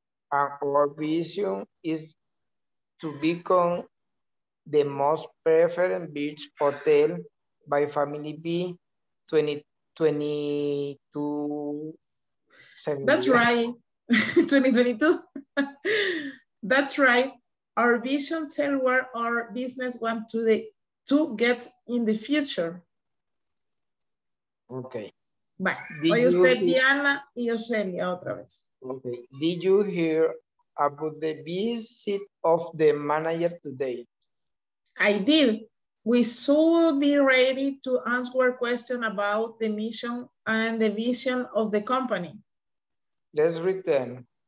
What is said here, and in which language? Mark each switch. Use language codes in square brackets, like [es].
[en] Our vision is to become the most preferred beach hotel by Family B 2022. That's right. 2022. That's right. Our vision tells where our business want to get in the future. Okay. Bye. [es] Hoy usted, Diana, y yo, Celia, otra vez. [en] Okay. Did you hear about the visit of the manager today? I did. We should be ready to answer questions about the mission and the vision of the company. Let's read them.